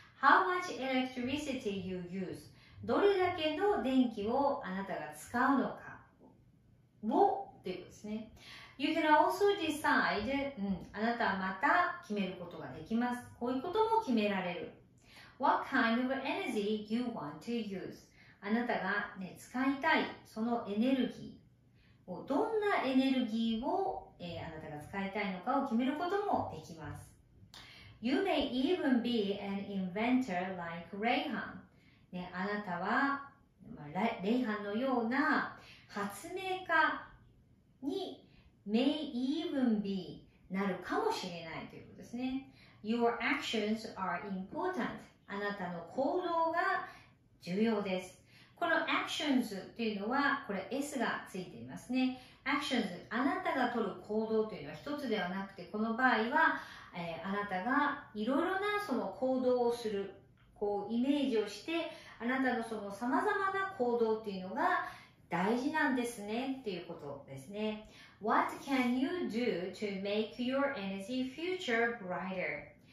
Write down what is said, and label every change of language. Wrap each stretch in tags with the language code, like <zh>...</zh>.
<en>How much electricity you use?</en> <ja>どれだけの電気をあなたが使うのかをということですね。</ja> <en>You can also decide、</en> <ja>うん、あなたはまた決めることができます。こういうことも決められる。</ja> <en>What kind of energy you want to use?</en> <ja>あなたが、ね、使いたいそのエネルギーを、どんなエネルギーを、あなたが使いたいのかを決めることもできます。</ja> <en>You may even be an inventor like Rayhan.、</en> <ja>ね、あなたは、まあ、Rayhanのような発明家に may even be なるかもしれないということですね。</ja> <en>Your actions are important.</en> <ja>あなたの行動が重要です。この actions というのは、これ S がついていますね。 actions、あなたが取る行動というのは一つではなくて、この場合は、あなたがいろいろなその行動をする、こうイメージをして、あなたのその様々な行動というのが大事なんですね、っていうことですね。</ja> <en>What can you do to make your energy future brighter?</en>